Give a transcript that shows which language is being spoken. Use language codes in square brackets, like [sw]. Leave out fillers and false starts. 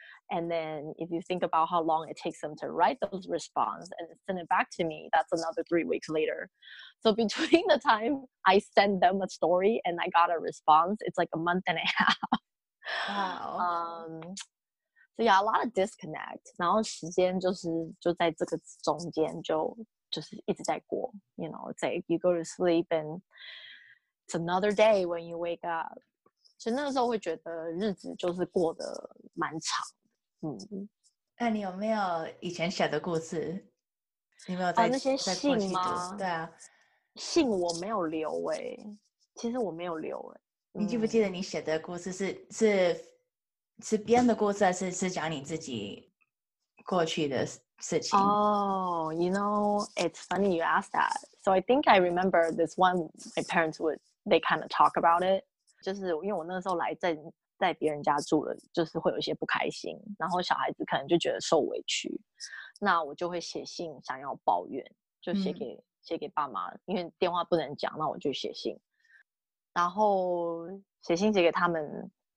[en] And then if you think about how long it takes them to write those response and send it back to me, that's another 3 weeks later. So between the time I send them a story and I got a response, it's like a month and a half. Wow. So yeah, a lot of disconnect. [zh] 然后时间就在这个中间就是一直在过。 [en] You know, it's like you go to sleep and... It's another day when you wake up. [zh] 所以那个时候会觉得日子就是过得蛮长的。那你有没有以前写的故事？你没有在那些信吗？对啊，信我没有留欸。其实我没有留欸。你记不记得你写的故事是编的故事，还是讲你自己过去的事情？ [en] Oh, you know, it's funny you ask that. So I think I remember this one my parents would, they kind of talk about it. [zh] 就是因为我那时候来在别人家住了，就是会有一些不开心，然后小孩子可能就觉得受委屈，那我就会写信想要抱怨，就写给爸妈，因为电话不能讲，那我就写信，然后写信写给他们，